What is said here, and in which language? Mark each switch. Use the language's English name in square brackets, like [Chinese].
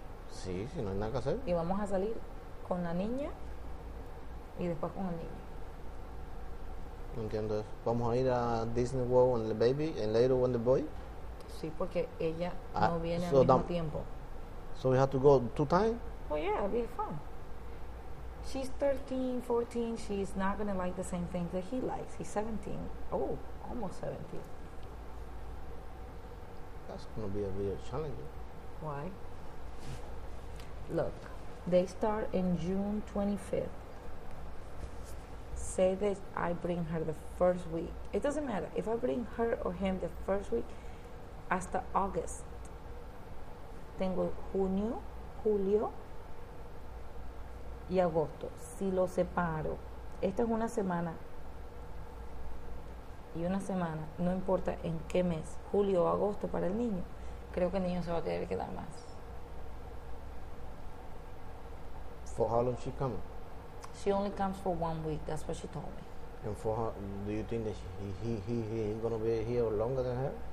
[Spanish] Sí, si no hay nada que hacer. Y vamos a salir con la niña y después con el niño. No entiendo eso. ¿Vamos a ir a Disney World [English] and the baby and later when the boy? [Spanish] Sí, porque ella no viene al mismo tiempo. [English] So we have to go 2 times? Oh yeah, it'll be fun. She's 13, 14, she's not going to like the same thing that he likes. He's 17. Oh, almost 17. That's going to be a real challenge. Why? Look, they start in June 25th. say that I bring her the first week, it doesn't matter if I bring her or him the first week, [Spanish] hasta [English] August. [Spanish] Tengo junio, julio y agosto. Si lo separo, esta es una semana y una semana, no importa en qué mes, julio o agosto para el niño, creo que el niño se va a querer quedar más. [English] For how long she come? She only comes for 1 week. That's what she told me. And for her, do you think that he gonna be here longer than her?